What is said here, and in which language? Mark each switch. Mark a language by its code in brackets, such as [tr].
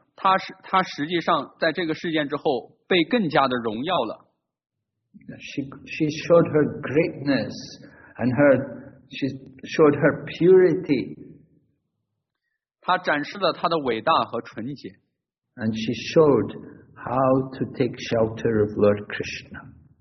[zh] 他实际上在这个事件之后被更加的荣耀了。 [en] She showed her greatness and she showed her purity. [zh] 他展示了他的伟大和纯洁。 [en] And she showed how to take shelter of Lord Krishna.